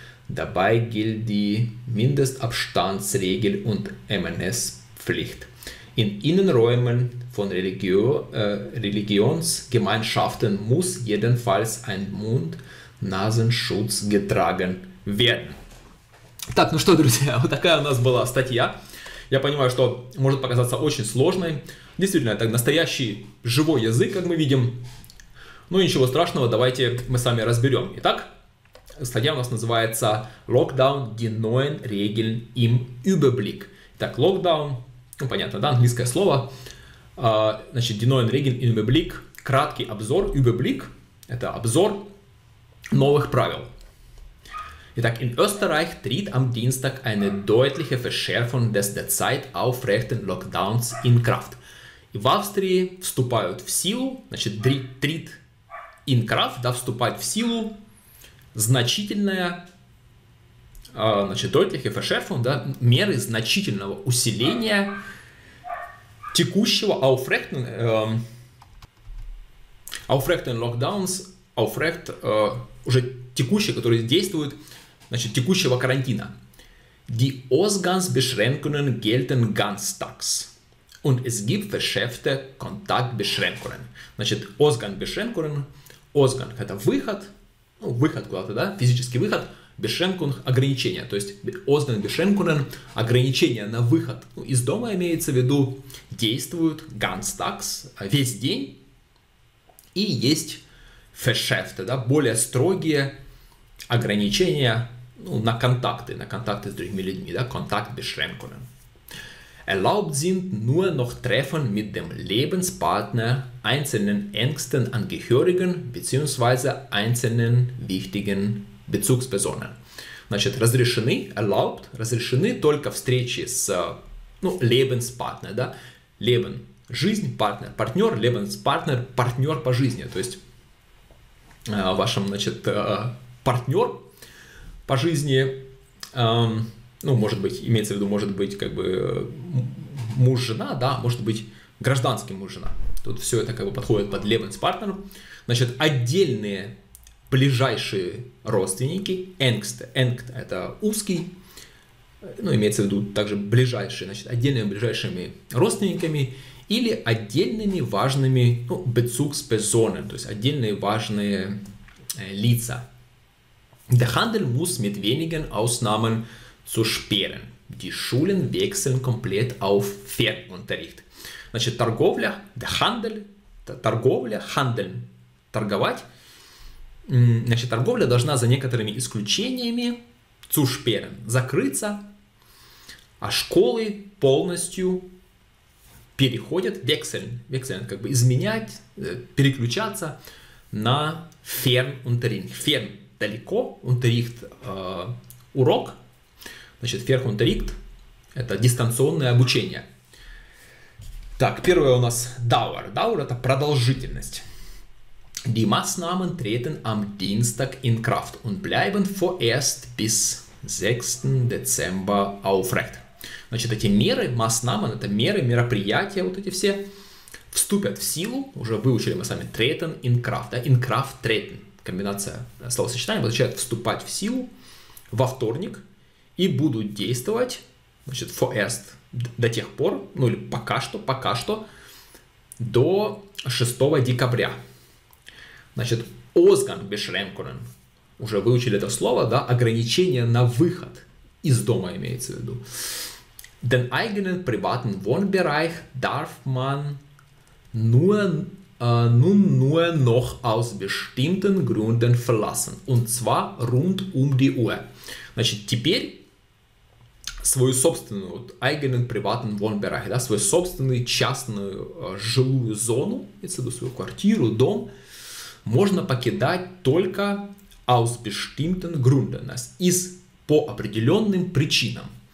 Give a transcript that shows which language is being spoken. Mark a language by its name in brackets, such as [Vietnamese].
[German] Dabei gilt die Mindestabstandsregel und MNS-Pflicht. In Innenräumen von Religionsgemeinschaften muss jedenfalls ein Mund-Nasen-Schutz getragen werden. [Russian] Так, ну что, друзья, вот такая у нас была статья. Я понимаю, что может показаться очень сложной. Действительно, это настоящий живой язык, как мы видим. Но ничего страшного, давайте мы с вами разберем. Итак, статья у нас называется [German] «Lockdown – Die neuen Regeln im Überblick». [Russian] Итак, «Lockdown» ну, понятно, да, английское слово. Значит, [German] Die neuen Regeln im Überblick [Russian] – краткий обзор, Überblick – это обзор новых правил. [German] Итак, in Österreich tritt am Dienstag eine deutliche Verschärfung des derzeit aufrechten Lockdowns in Kraft. [Russian] В Австрии вступают в силу, значит, [German] tritt [Russian] Инкрафт, да, вступает в силу значительная, значит, Deutlich и Verschärfung, да, меры значительного усиления текущего [German] Aufrechten Lockdowns, [Russian] Aufrecht, уже текущий, который действует, значит, текущего карантина. [German] Die Ausgangsbeschränkungen gelten ganztags. Und es gibt verschärfte Kontaktbeschränkungen. [Russian] Значит, Ausgangsbeschränkungen, Ausgang – это выход, ну, выход куда-то, да, физический выход, Beschränkung – ограничение. То есть Ausgangsbeschränkungen – ограничение на выход, ну, из дома имеется в виду, действуют ganztags, весь день, и есть verschärfte, да, более строгие ограничения, ну, на контакты с другими людьми, да, Kontaktbeschränkungen. [German] Erlaubt sind nur noch Treffen mit dem Lebenspartner, einzelnen engsten Angehörigen bzw. einzelnen wichtigen Bezugspersonen. [Russian] Значит, разрешены, erlaubt, разрешены только встречи с, ну, Lebenspartner, да? Leben, жизнь, Partner, партнер, Lebenspartner, партнер по жизни, то есть вашим, значит, партнер по жизни, ну, может быть, имеется в виду, может быть, как бы муж-жена, да, может быть, гражданский муж-жена. Тут все это как бы подходит под Lebenspartner. Значит, отдельные ближайшие родственники, Engst это узкий, ну, имеется в виду также ближайшие, значит, отдельными ближайшими родственниками или отдельными важными, ну, Bezugspersonen, то есть отдельные важные лица. [German] Der Handel muss mit wenigen Ausnahmen zu sperren. Die Schulen wechseln komplett auf Fernunterricht. [Russian] Значит, торговля, der Handel, торговля, handeln, торговать. Значит, торговля должна за некоторыми исключениями [German] zu sperren, [Russian] закрыться, а школы полностью переходят, wechseln, wechseln, как бы изменять, переключаться на Fernunterricht. Fern, далеко, Unterricht, урок. Значит, Fernunterricht – это дистанционное обучение. Так, первое у нас Dauer. Dauer – это продолжительность. [German] Die Maßnahmen treten am Dienstag in Kraft und bleiben vorerst bis 6. Dezember aufrecht. [Russian] Значит, эти меры, Maßnahmen – это меры, мероприятия, вот эти все, вступят в силу, уже выучили мы сами, [German] treten in Kraft, [Russian] да, [German] in Kraft treten. [Russian] Комбинация словосочетаний означает вступать в силу во вторник и будут действовать, значит, forest, до тех пор, ну или пока что, до 6 декабря. Значит, Ausgangsbeschränkungen, уже выучили это слово, да, ограничение на выход из дома имеется в виду. [German] Den eigenen privaten Wohnbereich darf man nur noch aus bestimmten Gründen verlassen. Und zwar rund die Uhr. [Russian] Значит, теперь свою собственную, вот, [German] eigenen privaten Wohnbereich, [Russian] да, свою собственную частную жилую зону, если бы свою квартиру, дом, можно покидать только [German] aus bestimmten Gründen, [Russian] из, по определенным причинам.